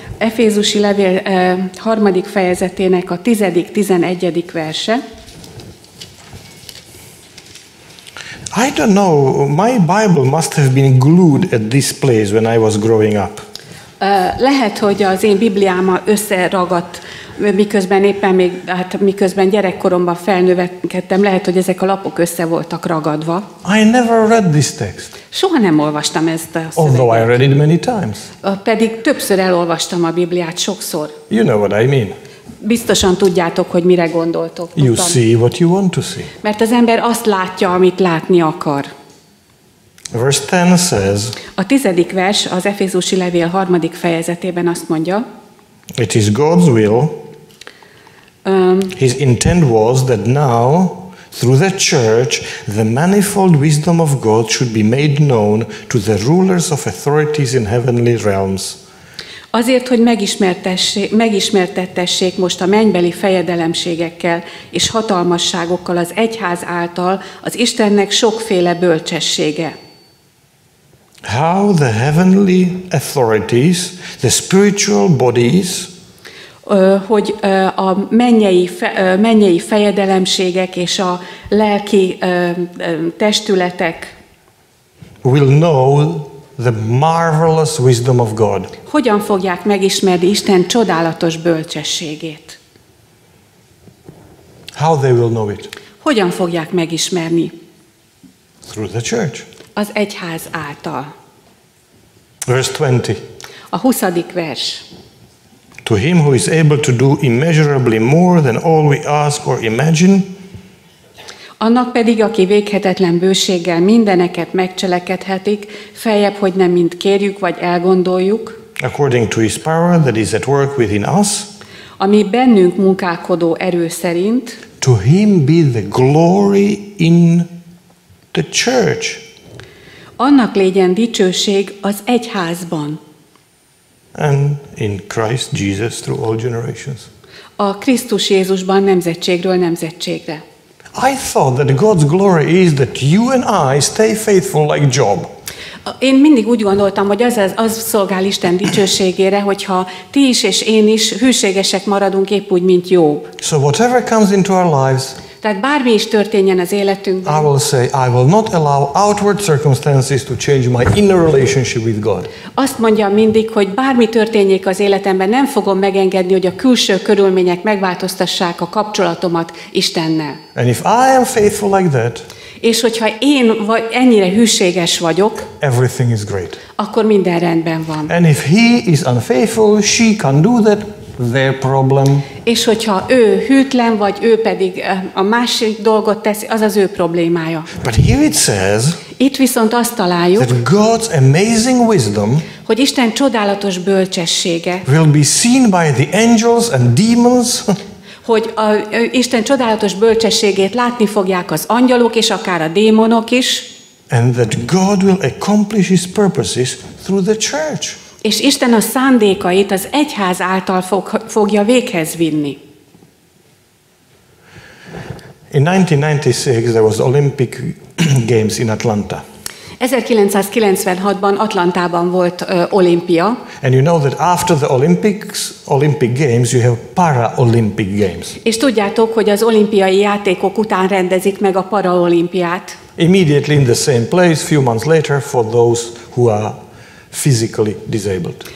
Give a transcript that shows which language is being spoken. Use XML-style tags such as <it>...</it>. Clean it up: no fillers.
<hu>Efézusi levél harmadik fejezetének a 10. 11. verse.</hu> <en>I don't know, my Bible must have been glued at this place when I was growing up.</en> <hu>Lehet, hogy az én Bibliám összeragadt, miközben éppen még, hát miközben gyerekkoromban felnövekedtem, lehet, hogy ezek a lapok össze voltak ragadva.</hu> <en>I never read this text.</en> <hu>Soha nem olvastam ezt a szöveget.</hu> <en>Although I read it many times.</en> <hu>Pedig többször elolvastam a Bibliát, sokszor.</hu> <en>You know what I mean.</en> <hu>Biztosan tudjátok, hogy mire gondoltok.</hu> <en>You see what you want to see.</en> <hu>Mert az ember azt látja, amit látni akar.</hu> <en>Verse 10 says.</en> <hu>A tizedik vers az Efézusi levél harmadik fejezetében azt mondja.</hu> <en>It is God's will. His intent was that now, through the church, the manifold wisdom of God should be made known to the rulers of authorities in heavenly realms.</en> <hu>Azért, hogy megismertettessék most a mennybeli fejedelemségekkel és hatalmasságokkal az egyház által az Istennek sokféle bölcsessége.</hu> <en>How the heavenly authorities, the spiritual bodies,</en> <hu>hogy a mennyei fejedelemségek és a lelki testületek</hu> <en>will know the marvelous wisdom of God.</en> <hu>Hogyan fogják megismerni Isten csodálatos bölcsességét?</hu> <en>How they will know it?</en> <hu>Hogyan fogják megismerni?</hu> <en>Through the church.</en> <hu>Az egyház által.</hu> <en>Verse 20.</en> <hu>A 20. vers.</hu> <en>To him who is able to do immeasurably more than all we ask or imagine.</en> <hu>Annak pedig, aki véghetetlen bőséggel mindeneket megcselekedhetik, feljebb, hogy nem mind kérjük vagy elgondoljuk.</hu> <en>According to his power that is at work within us.</en> <hu>Ami bennünk munkálkodó erő szerint.</hu> <en>To him be the glory in the church.</en> <hu>Annak legyen dicsőség az egyházban.</hu> <en>And in Christ Jesus through all generations.</en> <hu>A Krisztus Jézusban nemzetségről nemzetségre.</hu> <en>I thought that God's glory is that you and I stay faithful like Job.</en> <hu>Én mindig úgy gondoltam, hogy az szolgál Isten dicsőségére, hogyha ti is és én is hűségesek maradunk épp úgy, mint Job.</hu> <en>So whatever comes into our lives,</en> <hu>tehát bármi is történjen az életünkben.</hu> <en>I will say I will not allow outward circumstances to change my inner relationship with God.</en> <hu>Azt mondja mindig, hogy bármi történjék az életemben, nem fogom megengedni, hogy a külső körülmények megváltoztassák a kapcsolatomat Istennel.</hu> <en>And if I am faithful like that,</en> <hu>és hogyha én ennyire hűséges vagyok,</hu> <en>everything is great.</en> <hu>Akkor minden rendben van.</hu> <en>And if he is unfaithful, she can do that. Their problem.</en> <hu>És hogyha ő hűtlen, vagy ő pedig a másik dolgot teszi, az az ő problémája.</hu> <en>But here it says,</en> <hu>itt viszont azt találjuk,</hu> <en>that God's amazing wisdom,</en> <hu>hogy Isten csodálatos bölcsessége,</hu> <en>will be seen by the angels and demons,</en> <hu>hogy Isten csodálatos bölcsességét látni fogják az angyalok és akár a démonok is,</hu> <en>and that God will accomplish his purposes through the church.</en> <hu>És Isten a szándékait az egyház által fogja véghez vinni.</hu> <en>In 1996 there was Olympic Games in Atlanta.</en> <hu>1996-ban Atlantában volt olimpia.</hu> <en>And you know that after the Olympics, Olympic Games, you have Paralympic Games.</en> <hu>És tudjátok, hogy az olimpiai játékok után rendezik meg a paraolimpiát.</hu> <en>Immediately in the same place few months later for those who are physically disabled.</en>